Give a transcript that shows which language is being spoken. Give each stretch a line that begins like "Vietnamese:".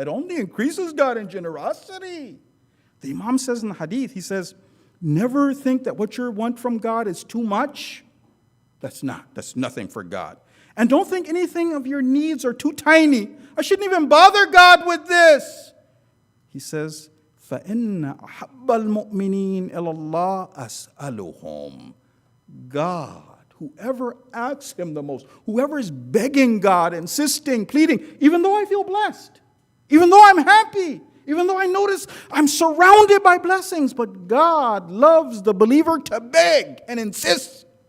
English: It only increases God in generosity. The Imam says in the hadith, he says, never think that what you want from God is too much. That's not. That's nothing for God. And don't think anything of your needs are too tiny. I shouldn't even bother God with this. He says,
Arabic: فَإِنَّ أَحَبَّ الْمُؤْمِنِينَ إِلَى اللَّهِ أَسْأَلُهُمْ.
English: God, whoever asks him the most, whoever is begging God, insisting, pleading, even though I feel blessed, even though I'm happy, even though I notice I'm surrounded by blessings, but God loves the believer to beg and insist.